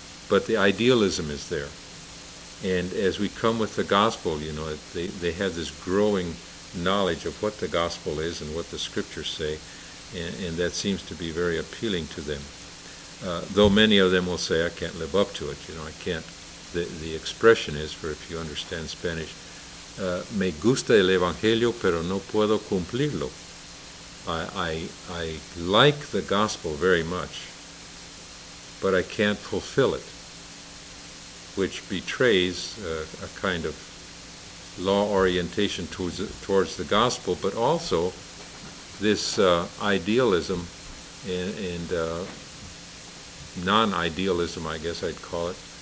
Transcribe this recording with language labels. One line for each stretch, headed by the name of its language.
English: But the idealism is there. And as we come with the gospel, they have this growing knowledge of what the gospel is and what the scriptures say, and that seems to be very appealing to them. Though many of them will say, I can't live up to it, you know, I can't. The expression is, for if you understand Spanish,
Spanish: me gusta el evangelio, pero no puedo cumplirlo.
English: I like the gospel very much, but I can't fulfill it, which betrays a kind of law orientation towards the gospel, but also this idealism and non-idealism, I guess I'd call it,